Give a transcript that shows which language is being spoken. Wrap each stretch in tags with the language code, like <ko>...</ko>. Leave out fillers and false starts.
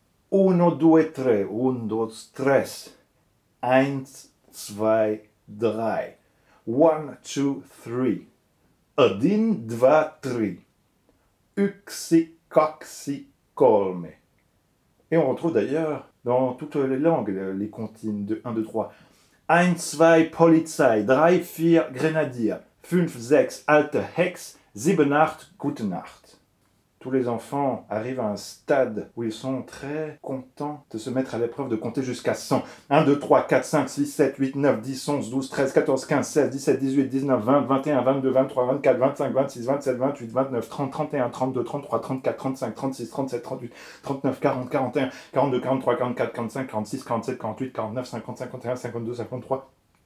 <it>Uno, due, tre,</it> <es>un, dos, tres,</es> <de>eins, zwei, drei,</de> <en>one, two, three,</en> <ru>adin, dva, tri,</ru> <fi>uksi, kaksi, kolme.</fi> <fr>Et on retrouve d'ailleurs dans toutes les langues les comptines de 1, 2, 3.</fr> <de>Ein, zwei, Polizei, drei, vier, Grenadier, fünf, sechs, alte, Hex, sieben, acht, gute Nacht.</de> <fr>Tous les enfants arrivent à un stade où ils sont très contents de se mettre à l'épreuve de compter jusqu'à 100. 1, 2, 3, 4, 5, 6, 7, 8, 9, 10, 11, 12, 13, 14, 15, 16, 17, 18, 19, 20, 21, 22, 23, 24, 25, 26, 27, 28, 29, 30, 31, 32, 33, 34, 35, 36, 37, 38, 39, 40, 41, 42, 43, 44, 45, 46, 47, 48, 49, 50, 51, 52, 53.</fr>